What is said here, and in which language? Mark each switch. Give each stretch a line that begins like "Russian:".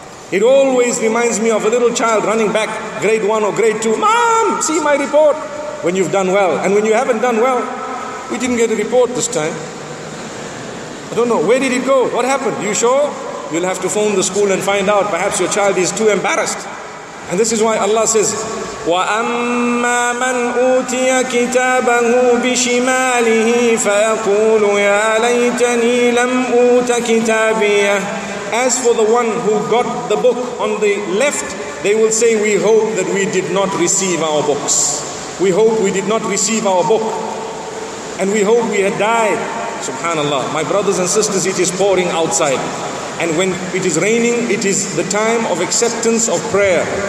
English: It always reminds me of a little child running back, grade 1 or grade 2. Mom, see my report. When you've done well. And when you haven't done well, we didn't get a report this time. I don't know. Where did it go? What happened? You sure? You'll have to phone the school and find out. Perhaps your child is too embarrassed.
Arabic: And this is why Allah says, وَأَمَّا مَنْ أُوتِيَ كِتَابَهُ بِشِمَالِهِ فَيَقُولُ يَا لَيْتَنِي لَمْ أُوتَ كِتَابِيَهِ.
English: As for the one who got the book on the left, they will say, we hope that we did not receive our books. We hope we did not receive our book. And we hope we had died. Subhanallah. My brothers and sisters, it is pouring outside. And when it is raining, it is the time of acceptance of prayer.